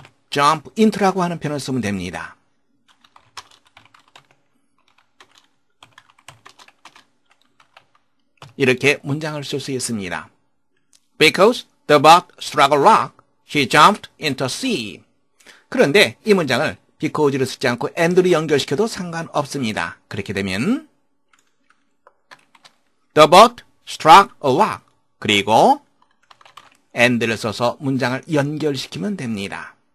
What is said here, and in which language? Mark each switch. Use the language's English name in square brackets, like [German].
[Korean] 점프 인트라고 하는 표현을 쓰면 됩니다. 이렇게 문장을 쓸 수 있습니다. [English] Because the bug struck a rock, she jumped into sea. [Korean] 그런데 이 문장을 because를 쓰지 않고 and를 연결시켜도 상관없습니다. 그렇게 되면 [English] the bug struck a rock [Korean] 그리고 and를 써서 문장을 연결시키면 됩니다.